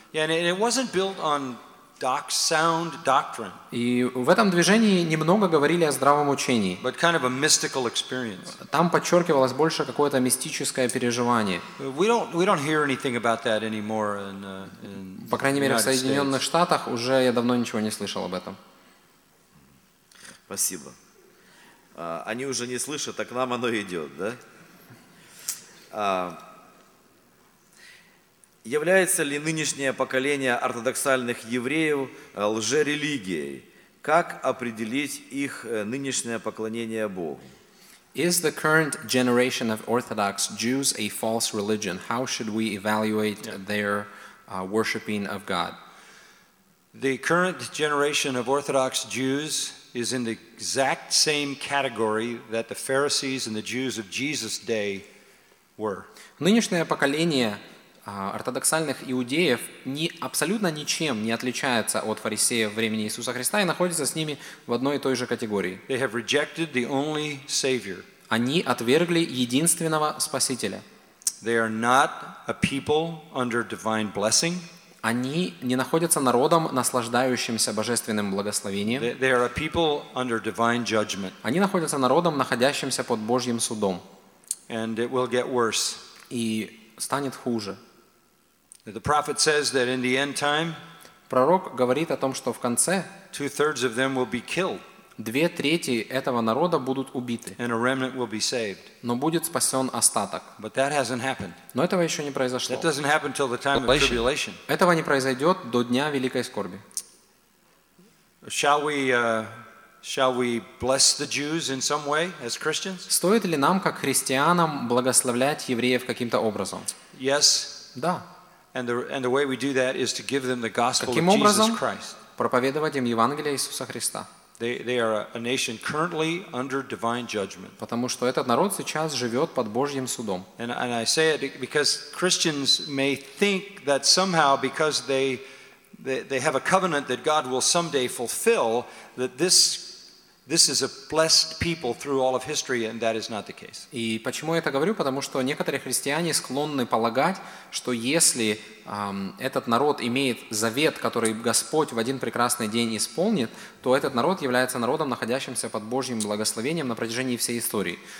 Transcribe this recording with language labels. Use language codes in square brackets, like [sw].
[en] Yeah, and it wasn't built on sound doctrine. [ru] И в этом движении немного говорили о здравом учении. [en] But kind of a mystical experience. [ru] Там подчеркивалось больше какое-то мистическое переживание. [en] We don't hear anything about that anymore in [ru] по крайней мере, в Соединенных Штатах уже я давно ничего не слышал об этом. Спасибо. Они уже не слышат, а к нам оно идет, да? Является ли нынешнее поколение ортодоксальных евреев лжерелигией? Как определить их нынешнее поклонение Богу? [en] Is the current generation of Orthodox Jews a false religion? How should we evaluate their worshiping of God? The current generation of Orthodox Jews is in the exact same category that the Pharisees and the Jews of Jesus' day were. [ru] Нынешнее поколение ортодоксальных иудеев абсолютно ничем не отличается от фарисеев времени Иисуса Христа и находится с ними в одной и той же категории. [en] They have rejected the only Savior. [ru] Они отвергли единственного Спасителя. [en] They are not a people under divine blessing. [ru] Они не находятся народом, наслаждающимся божественным благословением. [en] They are a people under divine judgment. [ru] Они находятся народом, находящимся под Божьим судом. [en] And it will get worse. [ru] И станет хуже. [en] The prophet says that in the end time, [ru] пророк говорит о том, что в конце [en] 2/3 of them will be killed. [ru] 2/3 этого народа будут убиты. [en] And a remnant will be saved. [ru] Но будет спасен остаток. [en] But that hasn't happened. [ru] Но этого еще не произошло. [en] That doesn't happen till the time of tribulation. [ru] Этого не произойдет до дня великой скорби. [en] Shall we bless the Jews in some way as Christians? [ru] Стоит ли нам как христианам благословлять евреев каким-то образом? [en] Yes. [ru] Да. [en] And the way we do that is to give them the gospel [ru] каким [en] of Jesus Christ. [ru] Проповедовать им Евангелие Иисуса Христа. [en] They are a nation currently under divine judgment. [ru] Потому что этот народ сейчас живет под Божьим судом. [en] And I say it because Christians may think that somehow because they have a covenant that God will someday fulfill, that this This is a blessed people through all of history, and that is not the case. [ru] И почему я это говорю? Потому что некоторые христиане склонны полагать, что если этот народ имеет завет, который Господь в один прекрасный день исполнит, то этот народ является народом, находящимся под Божьим благословением на протяжении всей истории.